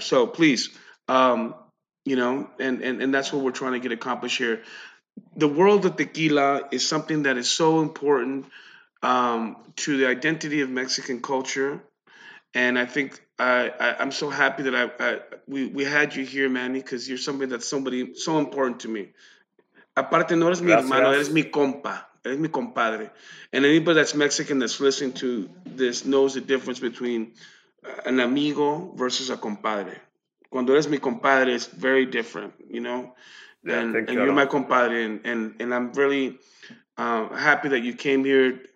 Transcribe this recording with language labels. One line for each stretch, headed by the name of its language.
English: So please, and that's what we're trying to get accomplished here. The world of tequila is something that is so important to the identity of Mexican culture. And I think I'm so happy that we had you here, Manny, because you're somebody so important to me.
Spanish: Aparte, no eres mi hermano, eres mi compa. Es mi compadre.
English: And anybody that's Mexican that's listening to this knows the difference between an amigo versus a compadre.
Spanish: Cuando eres mi compadre,
English: it's very different, you know? Thank you. You're my compadre, and I'm really happy that you came here.